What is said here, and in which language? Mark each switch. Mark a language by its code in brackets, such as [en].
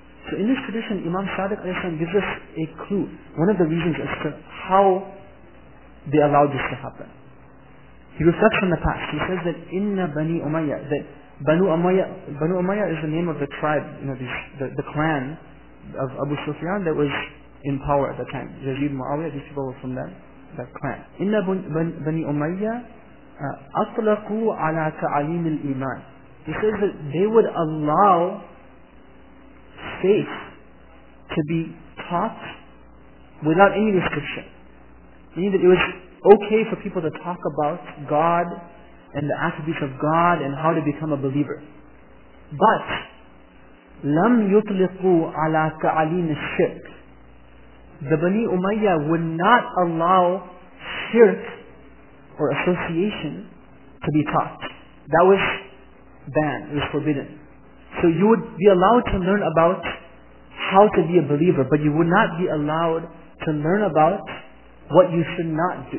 [en] So in this tradition, Imam Sadiq alayhi salam gives us a clue, one of the reasons as to how they allowed this to happen. He reflects on the past. He says that inna Bani Umayyah, that Banu Umayyah is the name of the tribe, you know, the clan of Abu Sufyan that was in power at that time. Yazid, Muawiyah, these people were from them, that clan. [ar] Inna bani Umayyah أطلقوا على تعليم الإيمان. [en] He says that they would allow faith to be taught without any description. Meaning that it was okay for people to talk about God and the attributes of God and how to become a believer. But [ar] لم يطلقوا على تعليم الشرك. [en] The Bani Umayyah would not allow shirk or association to be taught. That was banned, it was forbidden. So you would be allowed to learn about how to be a believer, but you would not be allowed to learn about what you should not do.